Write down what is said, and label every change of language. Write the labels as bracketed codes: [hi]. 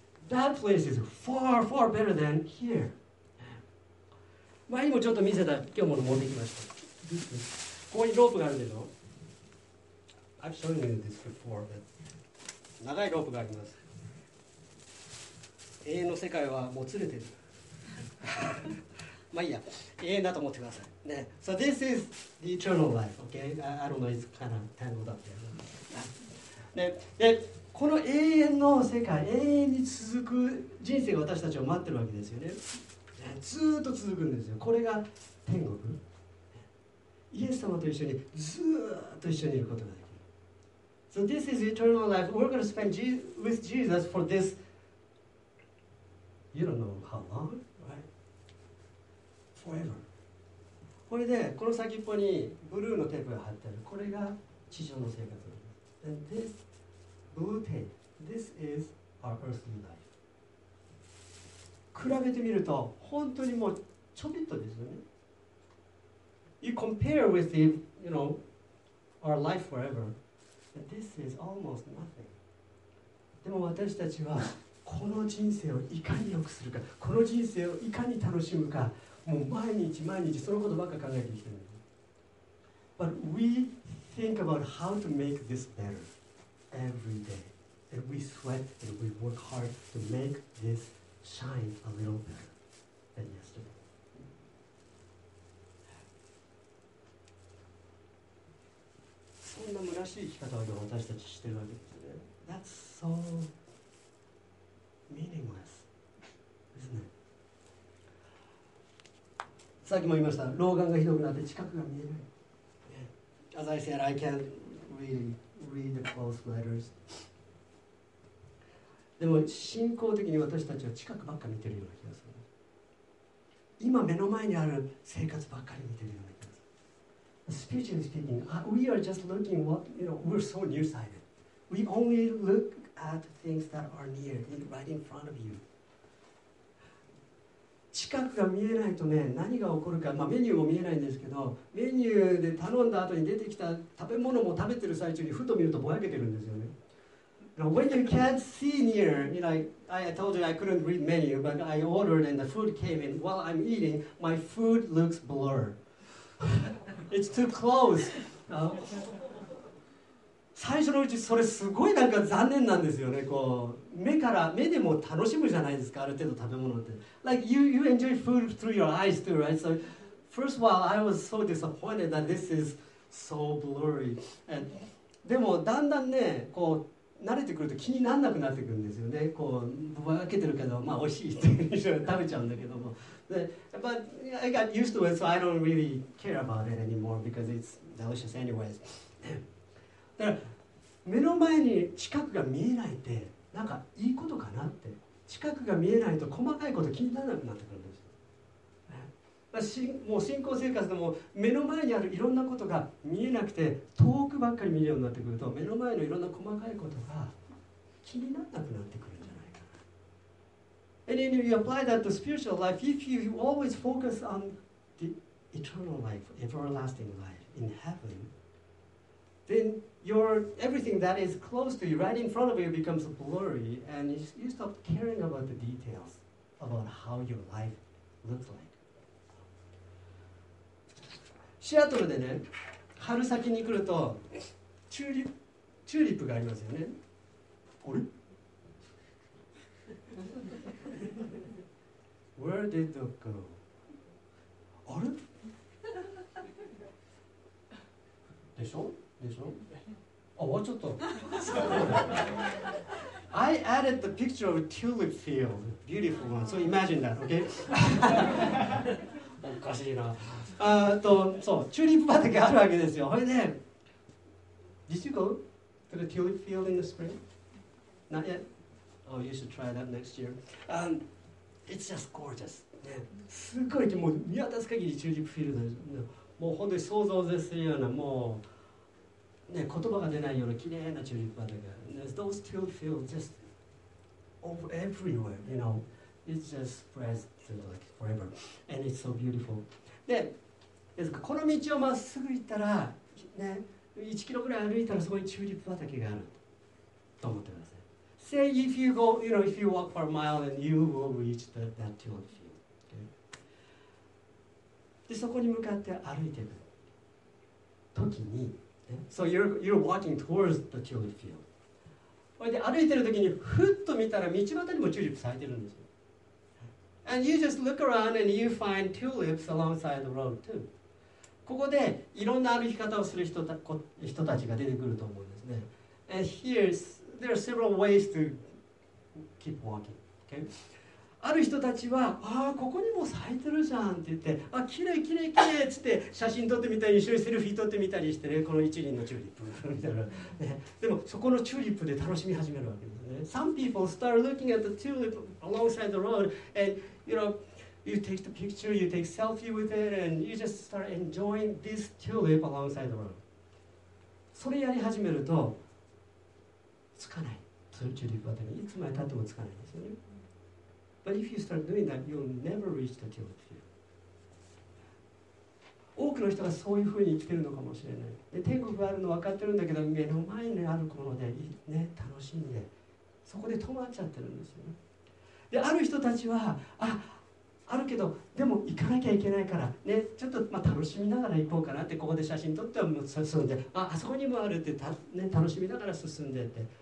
[en] That place is far, far better than here. [ja] 前にもちょっと見せた今日もの持ってきました。ここにロープがあるでしょ。 [en] I've shown you this before, but [ja] 長いロープがあります。永遠の世界はもつれてる。まあいいや、永遠だと思ってください。 [en] ね、so this is the eternal life, okay? I don't know, it's kind of tangled up there. [ja] でこの永遠の世界、永遠に続く人生が私たちを待ってるわけですよね。ずっと続くんですよ。これが天国。イエス様と一緒にずっと一緒にいることができる。 [en] So this is eternal life. We're going to spend with Jesus for this. You don't know how long, right? Forever. [ja] これで、この先っぽにブルーのテープが貼ってある。これが地上の生活。 [en] And this blue tape, this is our earthly life. [ja] 比べてみると本当にもうちょびっとですよね。 [en] You compare with the, you know, our life forever, and this is almost nothing. [ja] でも私たちはこの人生をいかに良くするか、この人生をいかに楽しむか、もう毎日毎日そのことばっか考えてきてるんです。 [en] But weThink about how to make this better every day. And we sweat and we work hard to make this shine a little better than yesterday. [ja] そんな虚しい生き方を私たちしてるわけですね。 [en] That's so meaningless, isn't it? [ja] さっきも言いました。老眼がひどくなって近くが見えない。 [en] As I said, I can't really read the close letters. [ja] でも信仰的に私たちは近くばっかり見てるような気がする。今目の前にある生活ばっかり見てるような気がする。 [en] Spiritually speaking, we are just looking what, you know, we're so nearsighted. We only look at things that are near, right in front of you. [ja] 近くが見えないとね、何が起こるか、まあ、メニューも見えないんですけど、メニューで頼んだ後に出てきた食べ物も食べてる最中にふと見るとぼやけてるんですよね。 [en] When you can't see near, you know, I told you I couldn't read menu, but I ordered and the food came in. While I'm eating, my food looks blur. It's too close. [ja] 最初のうちそれすごいなんか残念なんですよね。こう目から目でも楽しむじゃないですか、ある程度食べ物って。 [en] Like you enjoy food through your eyes too, right? So first of all, I was so disappointed that this is so blurry. [ja] And でもだんだんね、こう慣れてくると気にならなくなってくるんですよね。こうぼやけてるけどまあ美味しいって食べちゃうんだけども。 [en] But I got used to it, so I don't really care about it anymore because it's delicious anyways. [ja] だから目の前に近くが見えないってなんかいいことかなって、近くが見えないと細かいこと気にならなくなってくるんですよ。もう信仰生活でも目の前にあるいろんなことが見えなくて遠くばっかり見るようになってくると、目の前のいろんな細かいことが気にならなくなってくるんじゃないかな。 [en] And if you apply that to spiritual life, if you always focus on the eternal life, everlasting life in heaven, thenEverything that is close to you, right in front of you, becomes blurry, and you stop caring about the details about how your life looks like. [ja] シアトルでね、春先に来るとチューリップがありますよね。あれ？ [en] Where did it go? [ja] あれ？でしょ？でしょ？あ、終わっちゃった。 [en] I added the picture of a tulip field, beautiful one. So imagine that, okay? [ja] おかしいな。あと、そう、チューリップ畑があるわけですよ。 [en] ほいで、Did you go to the tulip field in the spring? Not yet? Oh, you should try that next year. It's just gorgeous. [ja] ね、すごい、もう見渡す限りチューリップフィールドです。もう本当に想像絶するような、もう、ね、言葉が出ないような綺麗なチューリップ畑が。 [en] Those tulip fields just over everywhere, you know. It's just present like forever. And it's so beautiful. [ja] で、この道をまっすぐ行ったら、ね、1キロぐらい歩いたらそこにチューリップ畑があると思ってください。 [en] Say if you go, you know, if you walk for a mile, then you will reach the, that tulip field.、Okay? [ja] で、そこに向かって歩いている時に、 [en] So you're walking towards the tulip field. [ja] で歩いてる時にふっと見たら道端にもチューリップ咲いてるんですよ。 [en] And you just look around and you find tulips alongside the road too. [ja] ここでいろんな歩き方をする人たちが出てくると思うんですね。 [en] And here there are several ways to keep walking. Okay? [ja] ある人たちは、ああここにも咲いてるじゃんって言って、あ綺麗綺麗綺麗って写真撮ってみたり、一緒にセルフィー撮ってみたりしてね、この一輪のチューリップみたいな、ね、でもそこのチューリップで楽しみ始めるわけですね。 [en] Some people start looking at the tulip alongside the road, and you know, you take the picture, you take selfie with it, and you just start enjoying this tulip alongside the road. [ja] それやり始めるとつかない、チューリップ畑にいつまでたってもつかないんですよね。 [en] But if you start doing that, you'll never reach the tulip field. [ja] 多くの人がそういうふうに生きてるのかもしれない。で、天国があるの分かってるんだけど、目の前にあるもので、ね、楽しんで、そこで止まっちゃってるんですよね。で、ある人たちは、あるけど、でも行かなきゃいけないから、ね、ちょっとまあ楽しみながら行こうかなって、ここで写真撮ってはもう進んで、あそこにもあるってた、ね、楽しみながら進んでって。